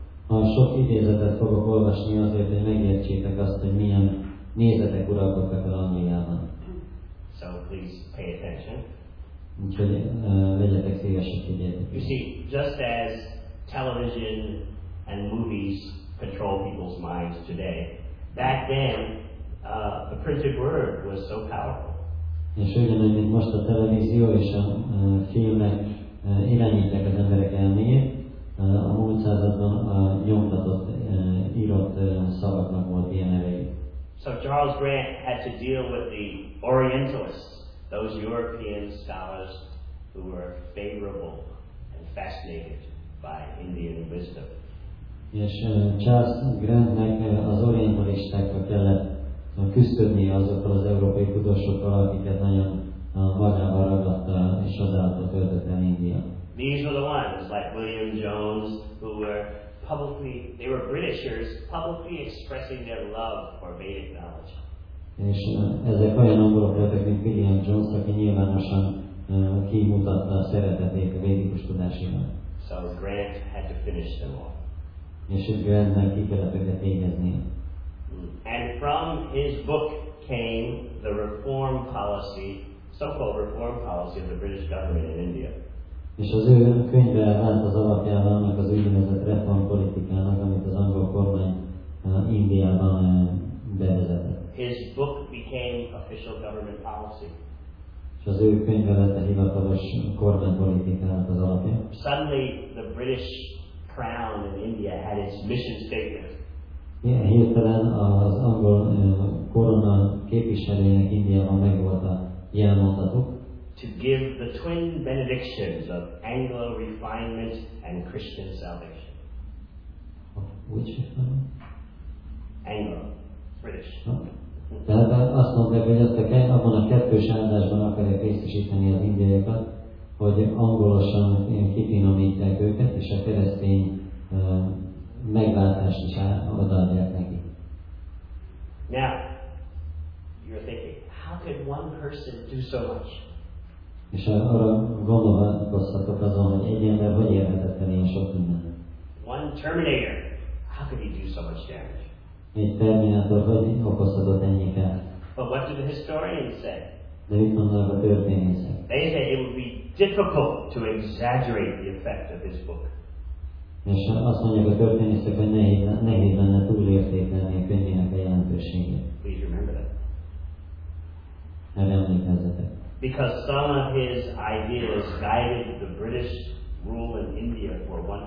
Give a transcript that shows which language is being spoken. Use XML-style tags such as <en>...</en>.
<hu>A sok idézetet fogok olvasni azért, hogy megértsétek azt, hogy milyen nézetek uralkodtak el Angliában.</hu> <en>So please pay attention.</en> <hu>Úgyhogy legyetek szívesek figyelni.</hu> <en>You see, just as television and movies control people's minds today, back then the printed word was so powerful.</en> <hu>És ugyanúgy, mint most a televízió és a filmek irányítják az emberek elméjét, a múlt században a nyomtatott, írott szavaknak volt ilyen erejük.</hu> <en>So Charles Grant had to deal with the Orientalists, those European scholars who were favorable and fascinated by Indian wisdom.</en> <hu>És Charles Grantnek az orientalistákkal kellett küzdködni azokkal az európai tudósokkal, akiket nagyon magával ragadta és odaadta töltötten India.</hu> <en>These were the ones like William Jones who were publicly, they were Britishers, publicly expressing their love for Vedic knowledge.</en> <hu>És ezek olyan angolok voltak, mint William Jones, aki nyilvánosan kimutatta a szeretetét a védikus tudásában.</hu> <en>So Grant had to finish them all.</en> <hu>És itt Grantnek ki kellett őket végezni.</hu> <en>And from his book came the reform policy, so-called reform policy of the British government in India.</en> <hu>És az ő könyve vált az alapjában annak az úgynevezett reformpolitikának, amit az angol kormány Indiában bevezetett.</hu> <en>official government policy.</en> <hu>És az ő könyve lett a hivatalos kormánypolitikának az alapja.</hu> <en>Suddenly the British crown in India had its mission statement.</en> <hu>Igen, hirtelen az angol korona képviselőjének Indiában megvolt a jelmondatuk.</hu> <en>To give the twin benedictions of Anglo refinement and Christian salvation. Which Anglo, British.</en> <hu>Tehát azt mondják, hogy ezt a abban a kettős áldásban akarják részesíteni az indiaiakat, hogy angolosan kifinomítják őket, és a keresztény megváltást is odaadják neki.</hu> <en>Now, you're thinking, how could one person do so much?</en> <hu>És arra gondolkodhatok azon, hogy egy ember hogy érhetett el ilyen sok mindent.</hu> <en>One Terminator, how could he do so much damage?</en> <hu>Egy Terminátor hogy okozhatott ennyi kárt?</hu> <en>But what do the historians say?</en> <hu>De mit mondanak a történészek?</hu> <en>They say it would be difficult to exaggerate the effect of his book.</en> <hu>És azt mondják a történészek, hogy nehéz lenne túlértékelni a könyvének a jelentőségét.</hu> <en>Please remember that.</en> <hu>Erre emlékezzetek.</hu> <en>Because some of his ideas guided the British rule in India for</en>